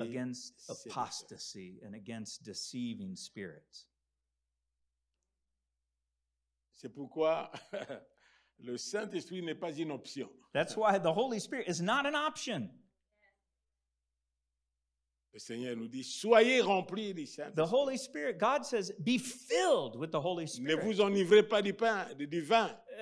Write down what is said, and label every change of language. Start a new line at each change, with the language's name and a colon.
English: against apostasy and against deceiving spirits.
French: C'est pourquoi le Saint-Esprit n'est pas une option.
English: That's why the Holy Spirit is not an option.
French: Le Seigneur nous dit, soyez remplis du Saint-Esprit.
English: The Holy Spirit, God says, be filled with the Holy Spirit.
French: Ne vous enivrez pas du pain, du vin.